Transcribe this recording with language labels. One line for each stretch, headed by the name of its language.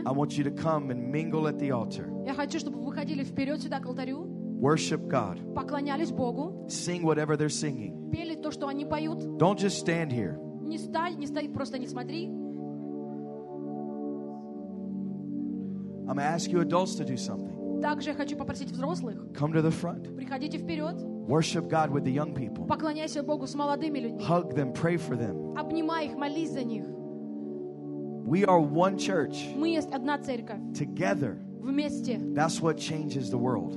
English: I want you to come and mingle at the altar.
Russian: Я хочу, чтобы вы выходили вперед сюда к алтарю.
English: Worship God.
Russian: Поклонялись Богу.
English: Sing whatever they're singing.
Russian: Пели то, что они поют.
English: Don't just stand here.
Russian: Не стой, просто не смотри.
English: I'm going to ask you adults to do something.
Russian: Также хочу попросить взрослых.
English: Come to the front.
Russian: Приходите вперед.
English: Worship God with the young people.
Russian: Поклоняйся Богу с молодыми людьми.
English: Hug them, pray for them.
Russian: Обнимай их, молись за них.
English: We are one church.
Russian: Мы есть одна церковь.
English: Together.
Russian: Вместе.
English: That's what changes the world.